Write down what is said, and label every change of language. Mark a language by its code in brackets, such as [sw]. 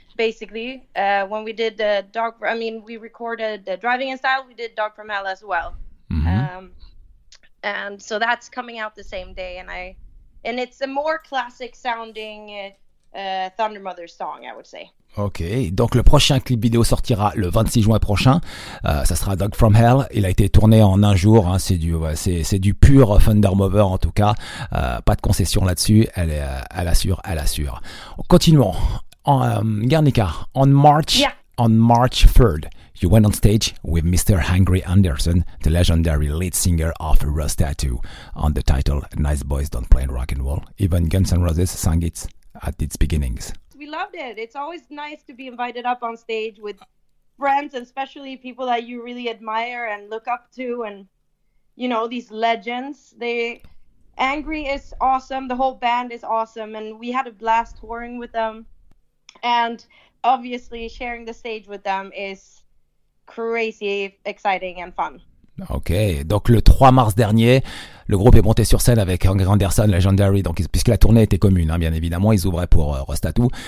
[en] Basically, when we did we recorded Driving in Style, we did Dog from Hell as well. Mm-hmm. And so that's coming out the same day. And it's a more classic sounding Thunder Mother song, I would say. [fr] Ok, donc le prochain clip vidéo sortira le 26 juin prochain, ça sera Dog From Hell, il a été tourné en un jour, hein. c'est du pur Thunder Mover en tout cas, pas de concession là-dessus, elle assure. Continuons. [en] Guernica, on March 3rd, you went on stage with Mr. Angry Anderson, the legendary lead singer of Rose Tattoo, on the title Nice Boys Don't Play Rock and Roll. Even Guns N' Roses sang it at its beginnings. We loved it. It's always nice to be invited up on stage with friends, and especially people that you really admire and look up to, and, you know, these legends. Angry is awesome. The whole band is awesome, and we had a blast touring with them. And obviously, sharing the stage with them is crazy, exciting and fun. [fr] Ok, donc le 3 mars dernier, le groupe est monté sur scène avec Angry Anderson, Legendary, donc, puisque la tournée était commune, hein, bien évidemment, ils ouvraient pour Rose Tattoo.